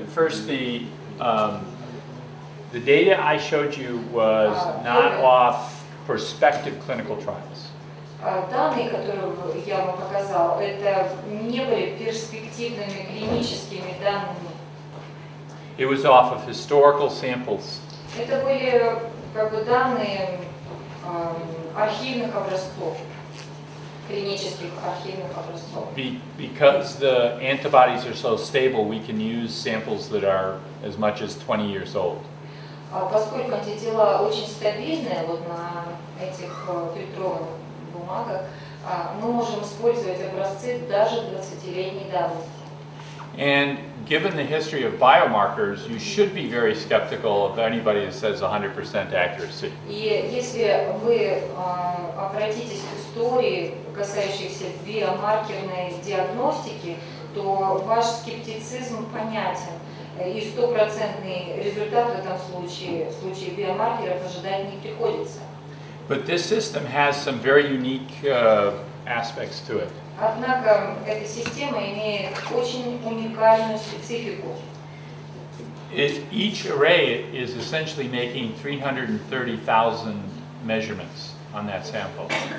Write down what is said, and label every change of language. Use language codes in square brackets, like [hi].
[en] First, the data I showed you was not off prospective clinical trials. [ru] Данные, которые я вам показал, это не были перспективными клиническими данными. [en] It was off of historical samples. [ru] Это были как бы данные архивных образцов, клинических архивных образцов. [en] Because the antibodies are so stable, we can use samples that are as much as 20 years old. [ru] Поскольку антитела очень стабильные, вот на этих фильтрованных бумагах, мы можем использовать образцы даже 20-летней давности. [en] And given the history of biomarkers, you should be very skeptical of anybody who says 100% accuracy. [ru] И если вы обратитесь к истории, касающейся биомаркерной диагностики, то ваш скептицизм понятен. И 100% результат в этом случае, в случае биомаркеров, ожидать не приходится. [en] But this system has some very unique aspects to it. [ru] Однако эта система имеет очень уникальную специфику. [en] Each array is essentially making 330,000 measurements on that sample.